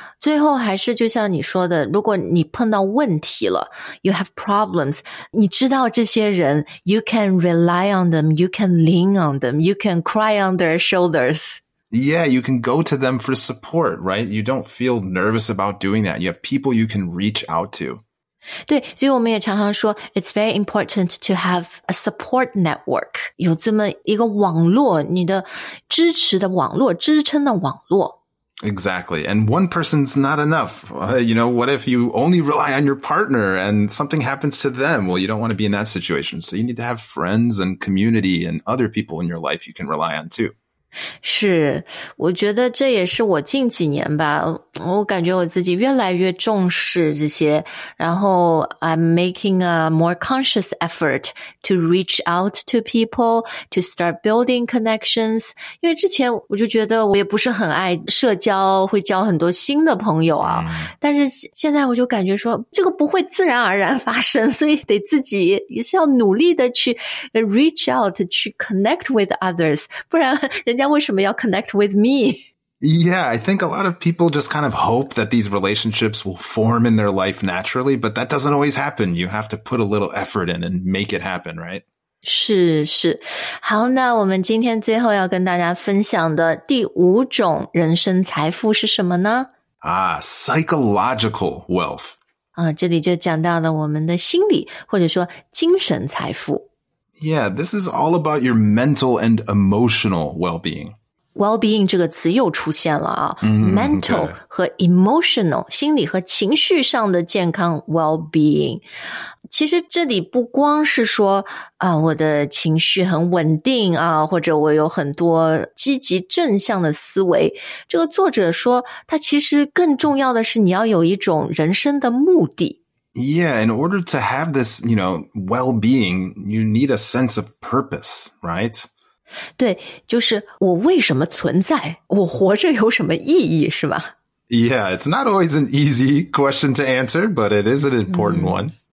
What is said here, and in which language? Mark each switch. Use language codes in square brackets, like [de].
[zh] 最后还是就像你说的，如果你碰到问题了 [en] ，you have problems， [zh] 你知道这些人 [en] ，you can rely on them， you can lean on them， you can cry on their shoulders. Yeah, you can go to them for support, right? You don't feel nervous about doing that. You have people you can reach out to. [zh] 对，所以我们也常常说 [en] it's very important to have a support network. [zh] 有这么一个网络，你的支持的网络，支撑的网络。 [en] Exactly. And one person's not enough. You know, what if you only rely on your partner and something happens to them? Well, you don't want to be in that situation. So you need to have friends and community and other people in your life you can rely on too. [zh] 是，我觉得这也是我近几年吧，我感觉我自己越来越重视这些，然后 [en] I'm making a more conscious effort to reach out to people, to start building connections, [zh] 因为之前我就觉得我也不是很爱社交，会交很多新的朋友啊，但是现在我就感觉说这个不会自然而然发生，所以得自己也是要努力的去 [en] reach out, [zh] 去 [en] connect with others, [zh] 不然人家为什么要 [en] connect with me? Yeah, I think a lot of people just kind of hope that these relationships will form in their life naturally, but that doesn't always happen. You have to put a little effort in and make it happen, right? [zh] 是是。好，那我们今天最后要跟大家分享的第五种人生财富是什么呢? [en] Psychological wealth. [zh] 这里就讲到了我们的心理或者说精神财富。 [en] Yeah, this is all about your mental and emotional well-being. [zh] Well-being 这个词又出现了啊。Mental 和 emotional, 心理和情绪上的健康 well-being。其实这里不光是说啊，我的情绪很稳定啊，或者我有很多积极正向的思维。这个作者说，他其实更重要的是你要有一种人生的目的。 [en] Yeah, in order to have this, you know, well-being, you need a sense of purpose, right? [zh] 对，就是我为什么存在？我活着有什么意义，是吧？ [en] Yeah, it's not always an easy question to answer, but it is an important one.